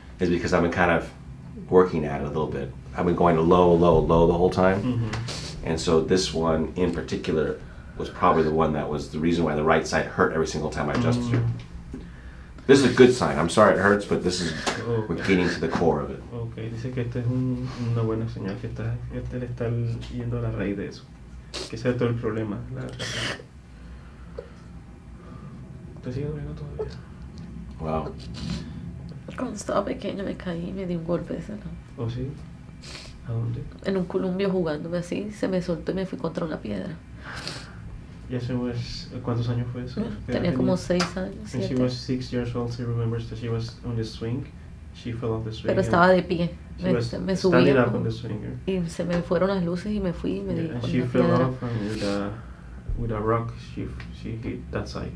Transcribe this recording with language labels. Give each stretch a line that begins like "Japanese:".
English: Is because I've been kind of working at it a little bit. I've been going low, low, low the whole time. Mm-hmm. And so this one in particular was probably the one that was the reason why the right side hurt every single time I adjusted her. This is a good sign. I'm sorry it hurts, but this is, okay. We're getting to the core of it.
Spanish: Okay, dice que este es una buena señal, que este le está yendo a la raíz de eso. Que ese es todo el problema. ¿Te sigue doliendo todavía? Wow. Cuando estaba pequeño me caí y me di un golpe de cerebro. ¿Oh, sí? ¿A dónde? En un columpio jugándome así, se me soltó y me fui contra una piedra. ¿Y eso es, cuántos años fue eso? Tenía como 6 años, 7.
English: And she was 6 years old, she remembers that she was on the swing. She fell off the swing.
Spanish: Pero estaba de pie. Me subí.
English: Standing up on the swing.
Spanish: Y se me fueron las luces y me fui y me di con la piedra.
English: And she fell off and with a rock, she hit that side.